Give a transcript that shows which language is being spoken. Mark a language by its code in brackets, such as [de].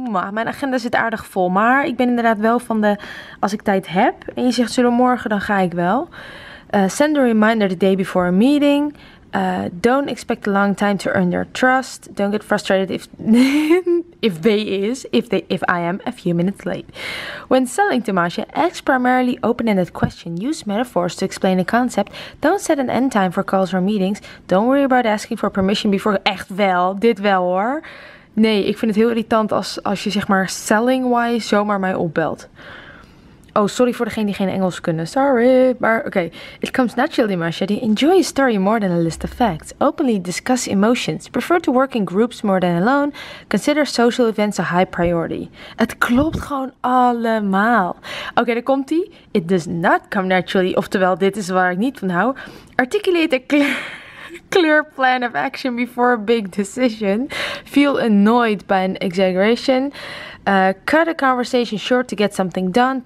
[nl] Mijn agenda zit aardig vol, maar ik ben inderdaad wel van de... Als ik tijd heb en je zegt zullen we morgen, dan ga ik wel. [en] Send a reminder the day before a meeting. Don't expect a long time to earn their trust. Don't get frustrated if I am a few minutes late. When selling to Masha, ask primarily open-ended questions. Use metaphors to explain a concept. Don't set an end time for calls or meetings. Don't worry about asking for permission before... [nl] Echt wel, dit wel hoor. Nee, ik vind het heel irritant als je zeg maar selling-wise zomaar mij opbelt. Oh, sorry voor degene die geen Engels kunnen. Sorry, maar oké. [en] Okay. It comes naturally, Marcia. They enjoy a story more than a list of facts. Openly discuss emotions. Prefer to work in groups more than alone. Consider social events a high priority. [nl] Het klopt gewoon allemaal. Oké, okay, daar komt-ie. [en] It does not come naturally. [nl] Oftewel, dit is waar ik niet van hou. [en] Articulate a clear plan of action before a big decision. Feel annoyed by an exaggeration. Cut a conversation short to get something done.